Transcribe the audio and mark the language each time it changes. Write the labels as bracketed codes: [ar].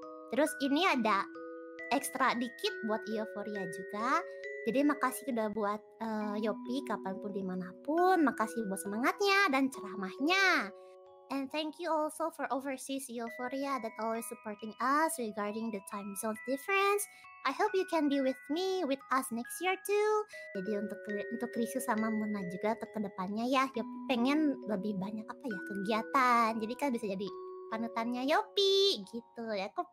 [id] Terus ini ada ekstra dikit buat Euphoria juga. Jadi makasih udah buat Yopi kapanpun dimanapun. Makasih buat semangatnya dan ceramahnya. [en] And thank you also for overseas Euphoria that always supporting us regarding the time zone difference. I hope you can be with me, with us next year too. [id] Jadi untuk Risu sama Muna juga untuk kedepannya ya, Yopi pengen lebih banyak apa ya, kegiatan. Jadi kan bisa jadi panutannya Yopi gitu ya.